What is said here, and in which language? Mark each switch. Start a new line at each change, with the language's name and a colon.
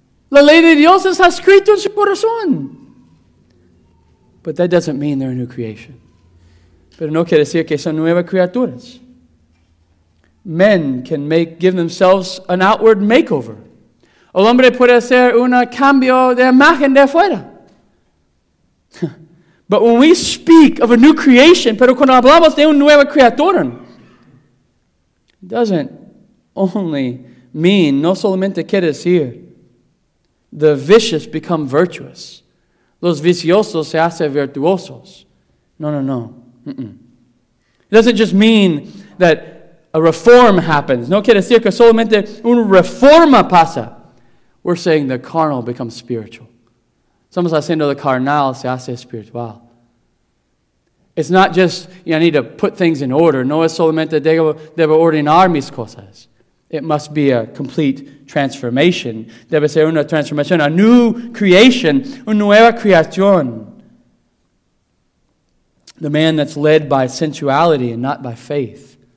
Spanish: La ley de Dios está escrito en su corazón.
English: But that doesn't mean they're a new creation.
Spanish: Pero no quiere decir que son nuevas criaturas.
English: Men can give themselves an outward makeover.
Spanish: El hombre puede hacer un cambio de imagen de afuera.
English: But when we speak of a new creation,
Spanish: pero cuando hablamos de una nueva criatura,
English: doesn't only mean,
Spanish: no solamente quiere decir,
English: the vicious become virtuous.
Spanish: Los viciosos se hacen virtuosos. No.
English: It doesn't just mean that a reform happens.
Spanish: No quiere decir que solamente una reforma pasa.
English: We're saying the carnal becomes spiritual.
Spanish: Estamos haciendo el carnal se hace espiritual.
English: It's not just, I need to put things in order.
Spanish: No es solamente debo ordenar mis cosas.
English: It must be a complete transformation.
Spanish: Debe ser una transformación,
English: a new creation,
Spanish: una nueva creación.
English: The man that's led by sensuality and not by faith.